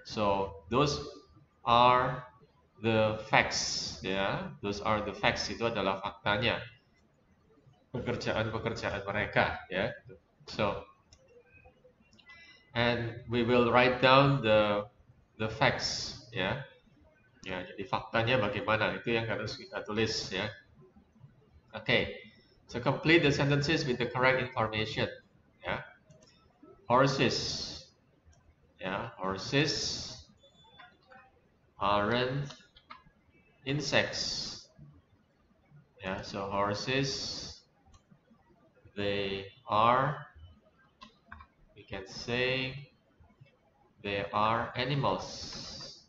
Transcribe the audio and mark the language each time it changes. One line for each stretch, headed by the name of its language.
English: So those are the facts, yeah. Those are the facts.
Indonesian: Itu adalah faktanya. Pekerjaan-pekerjaan mereka, yeah.
English: So, and we will write down the facts, yeah. Yeah.
Indonesian: Jadi faktanya bagaimana? Itu yang harus kita tulis, yeah. Okay.
English: So complete the sentences with the correct information, yeah. Horses, yeah. Horses aren't insects. Yeah, so horses, they are, we can say they are animals.